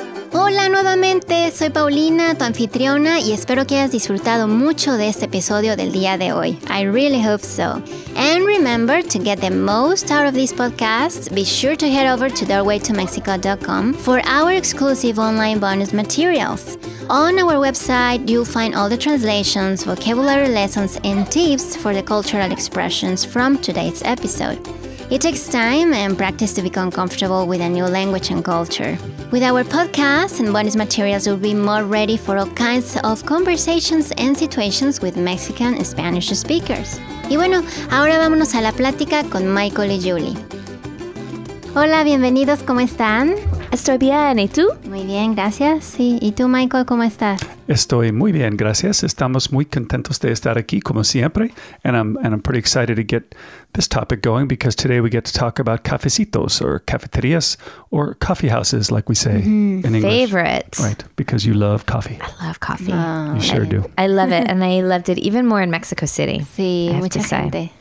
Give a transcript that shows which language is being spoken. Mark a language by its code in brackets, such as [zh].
[es] Hola nuevamente, soy Paulina, tu anfitriona, y espero que hayas disfrutado mucho de este episodio del día de hoy. [en] I really hope so. And remember, to get the most out of this podcast, be sure to head over to doorwaytomexico.com for our exclusive online bonus materials. On our website, you'll find all the translations, vocabulary lessons, and tips for the cultural expressions from today's episode. It takes time and practice to become comfortable with a new language and culture. With our podcast and bonus materials, we'll be more ready for all kinds of conversations and situations with Mexican and Spanish speakers. [es] Y bueno, ahora vámonos a la plática con Michael y Julie. Hola, bienvenidos, ¿cómo están? Estoy bien, ¿y tú? Muy bien, gracias. Sí. ¿Y tú, Michael, cómo estás? Estoy muy bien, gracias. Estamos muy contentos de estar aquí, como siempre. [en] And I'm pretty excited to get this topic going because today we get to talk about cafecitos or cafeterías or coffee houses, like we say in English. Favorite. Right, because you love coffee. I love coffee. Oh, you sure I do. I love it. And I loved it even more in Mexico City. [es] Sí, mucha gente.